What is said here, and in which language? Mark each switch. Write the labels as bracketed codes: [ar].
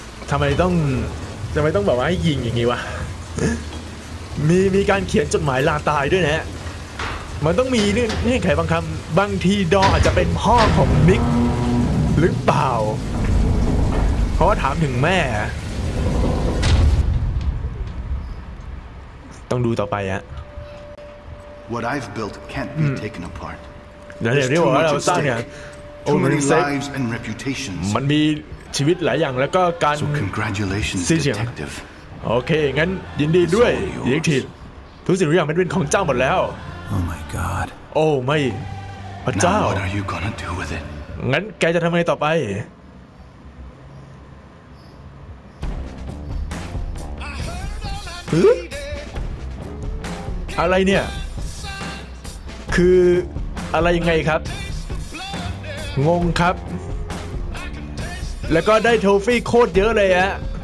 [th] ทำไมต้องแบบว่าให้ยิงอย่างนี้วะมีการเขียนจดหมายลาตายด้วยนะมันต้องมีนี่เงื่อนไขบางคำบางทีดออาจจะเป็นพ่อของมิกหรือเปล่าเพราะถามถึงแม่ต้องดูต่อไปฮะ [en] What I've built can't be taken apart. There's too much at stake. Too many lives and reputations. [th] มันมีชีวิตหลายอย่างแล้วก็การ [en] So congratulations, detective. [th] โอเคงั้นยินดีด้วยดีทีทุกสิ่งทุกอย่างมันเป็นของเจ้าหมดแล้ว [en] Oh my god. [th] โอ้ไม่พระเจ้า [en] What are you gonna do with it? [th] งั้นแกจะทำไงต่อไปอะไรเนี่ยคืออะไรยังไงครับงงครับแล้วก็ได้โทฟี่โคตรเยอะเลยฮะ